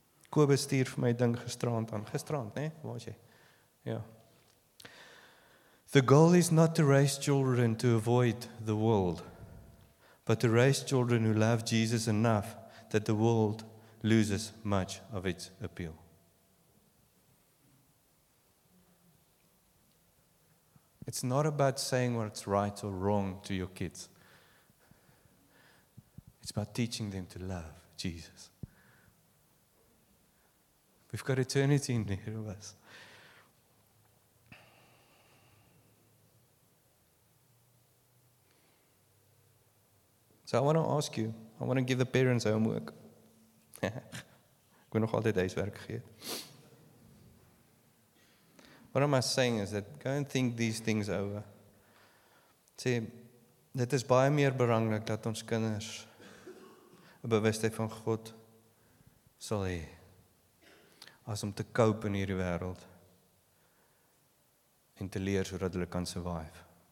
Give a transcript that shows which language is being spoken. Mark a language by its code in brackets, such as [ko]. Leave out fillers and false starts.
[af] Kobus stuur vir my ding gisterand aan. Gisterand, né? Waar was jy? Ja. [en] The goal is not to raise children to avoid the world, but to raise children who love Jesus enough that the world loses much of its appeal. It's not about saying what's right or wrong to your kids. It's about teaching them to love Jesus. We've got eternity in here of us. So I want to ask you, I want to give the parents homework. [af] Ek wil nog altyd huiswerk gee. [en] What am I saying is that go and think these things over. [af] Sê, dit is baie meer belangrik dat ons kinders een bewustheid van God sal hê. As om te cope in hierdie wêreld en te leer sodat hulle kan survive.